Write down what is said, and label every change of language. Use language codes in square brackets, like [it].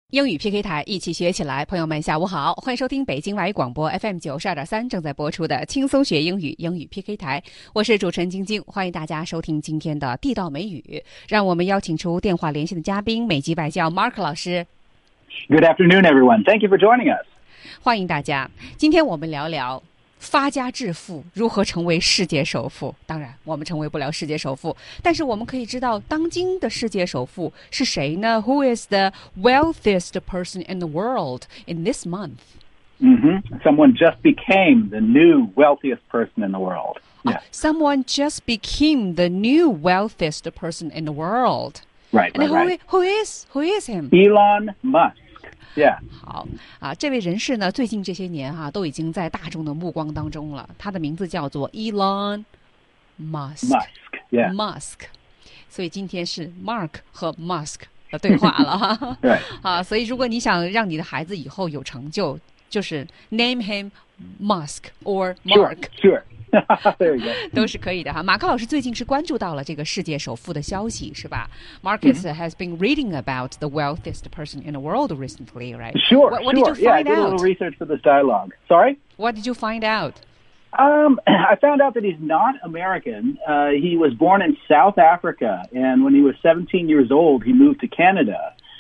[zh] 英语 PK 台，一起学起来。朋友们下午好，欢迎收听北京外语广播 FM92.3 正在播出的轻松学英语英语 PK 台，我是主持人晶晶，欢迎大家收听今天的地道美语。让我们邀请出电话连线的嘉宾，美籍外教 Mark 老师。 [en] Good afternoon everyone, thank you for joining us. [zh] 欢迎大家，今天我们聊聊发家致富，如何成为世界首富。当然我们成为不了世界首富，但是我们可以知道当今的世界首富是谁呢？ [en] Who is the wealthiest person in the world in this month? Someone just became the new wealthiest person in the world. Someone just became the new wealthiest person in the world. Who is him? Elon Musk. Yeah. [zh] 好啊，这位人士呢，最近这些年哈、啊，都已经在大众的目光当中了。他的名字叫做 Elon Musk. [en] Musk. Yeah. [zh] Musk. 所以今天是 Mark 和 Musk 的对话了哈。对。啊，所以如果你想让你的孩子以后有成就，就是 [en] name him Musk or Mark. Sure. Sure. There you go. [zh] 都是可以的哈。马克老师最近是关注到了这个世界首富的消息，是吧？ [en] Marcus has been reading about the wealthiest person in the world recently, right? Sure. What did you find out? I did a little research for this dialogue. Sorry? What did you find out? I found out that he's not American. He was born in South Africa, and when he was 17 years old, he moved to Canada.